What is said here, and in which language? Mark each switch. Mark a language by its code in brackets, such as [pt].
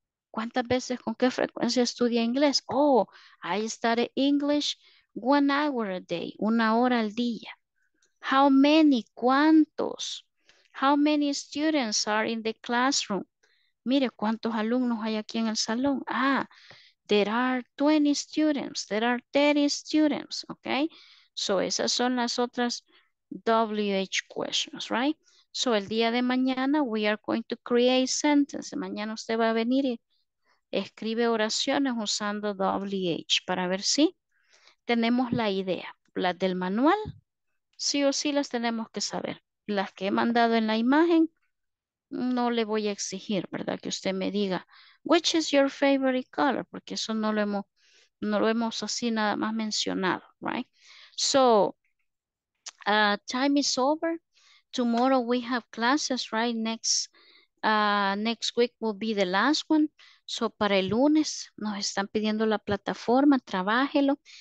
[es] ¿Cuántas veces, con qué frecuencia estudia inglés? [en] Oh, I study English 1 hour a day, [es] 1 hora al día. [en] How many, cuántos. How many students are in the classroom? [es] Mire, ¿cuántos alumnos hay aquí en el salón? [en] Ah, there are 20 students, there are 30 students, ok. [es] So, esas son las otras WH questions, right? [en] So, [es] el día de mañana, [en] we are going to create sentences. [es] Mañana usted va a venir y escribe oraciones usando WH para ver si tenemos la idea. Las del manual, sí o sí las tenemos que saber. Las que he mandado en la imagen, no le voy a exigir, ¿verdad? Que usted me diga, [en] which is your favorite color? [es] Porque eso no lo hemos así nada más mencionado, right? [en] So, time is over. Tomorrow we have classes, right? Next week will be the last one. [es] So, para el lunes nos están pidiendo la plataforma, trabájelo.